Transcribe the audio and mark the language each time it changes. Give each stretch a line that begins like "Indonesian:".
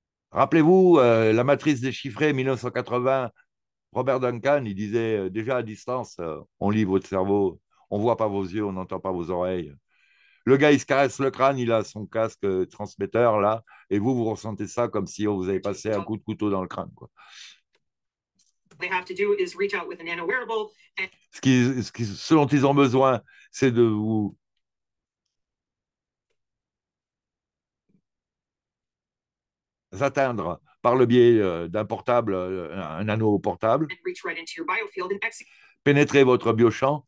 French: Rappelez-vous, la matrice déchiffrée 1980, Robert Duncan, il disait déjà à distance, on lit votre cerveau, on ne voit pas vos yeux, on n'entend pas vos oreilles. Le gars, il se caresse le crâne, il a son casque transmetteur là, et vous, vous ressentez ça comme si on vous avait passé un coup de couteau dans le crâne, quoi.
English: They have to do is reach out with a nano wearable.
French: Ce dont ils ont besoin, c'est de vous. Atteindre par le biais d'un portable, un anneau portable.
English: Reach right into your biofield and execute.
French: Pénétrer votre biochamp.